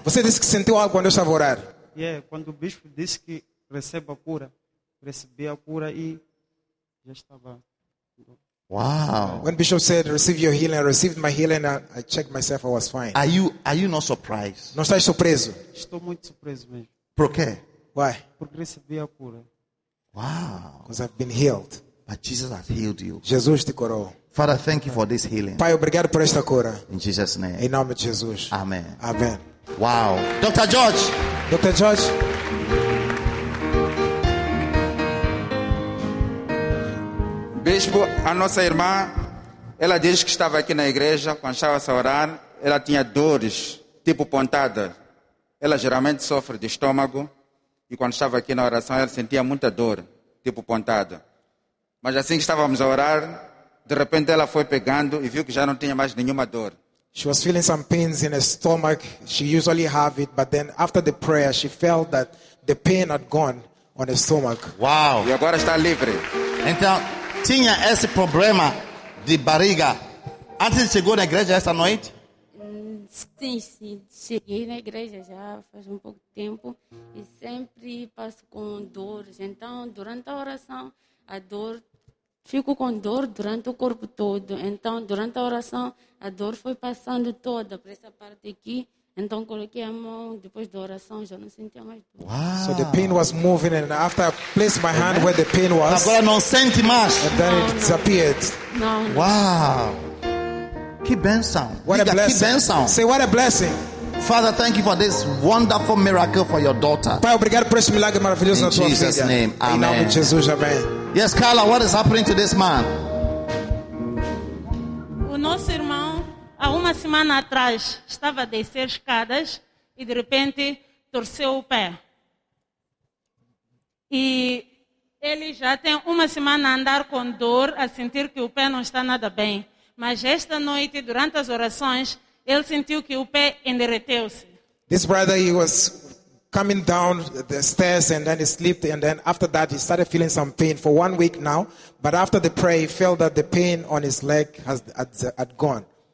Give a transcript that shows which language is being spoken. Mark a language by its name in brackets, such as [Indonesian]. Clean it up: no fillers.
[Portuguese] Você disse que sentiu algo quando eu estava a orar. Yeah, quando o bispo disse que receba a cura, recebi a cura e já estava. [English] Wow. When Bishop said, receive your healing, I received my healing, I checked myself, I was fine. Are you not surprised? [Portuguese] Não estás surpreso? Estou muito surpreso mesmo. Por quê? [English] Why? [Portuguese] Porque recebi a cura. [English] Wow. Because I've been healed. But Jesus has healed you. [Portuguese] Jesus te curou. [English] Father, thank you for this healing. [Portuguese] Pai, obrigado por esta cura. [English] In Jesus' name. [Portuguese] Em nome de Jesus. [English] Amen. [Portuguese] Amen. [English] Wow. Dr. George. Dr. George. [Portuguese] Bispo, a nossa irmã, ela diz que estava aqui na igreja, quando estava a orar, ela tinha dores tipo pontada. Ela geralmente sofre de estômago e quando estava aqui na oração ela sentia muita dor, tipo pontada. Mas assim que estávamos a orar, de repente ela foi pegando e viu que já não tinha mais nenhuma dor. [English] She was feeling some pains in her stomach. She usually have it, but then after the prayer she felt that the pain had gone on her stomach. Wow. [Portuguese] E agora está livre. Então, tinha esse problema de barriga antes de chegar na igreja esta noite? Sim, sim, cheguei na igreja já faz um pouco de tempo e sempre passo com dores. Então, durante a oração, a dor, fico com dor durante o corpo todo. Então, durante a oração, a dor foi passando toda para essa parte aqui. Então, coloquei a mão, depois da oração, já não sentia mais dor. [English] Wow. So the pain was moving and after I placed my hand where the pain was, [Portuguese] agora não senti mais. [English] And then it disappeared. [Portuguese] Não. Wow. Que bênção. [English] What a blessing. Say what a blessing. Father, thank you for this wonderful miracle for your daughter. [Portuguese] Pai, obrigado por esse milagre maravilhoso na tua filha. [English] In Jesus' name, amen. [Portuguese] Em nome de Jesus, amém. [English] Yes, Carla, what is happening to this man? [Portuguese] O nosso irmão, há uma semana atrás, estava a descer escadas e de repente torceu o pé. E ele já tem uma semana a andar com dor, a sentir que o pé não está nada bem. Mas esta noite, durante as orações, ele sentiu que o pé endereteu-se. [English] This brother, he was coming down the stairs and then he slipped and then after that he started feeling some pain for 1 week now. But after the prayer, he felt that the pain on his leg had gone.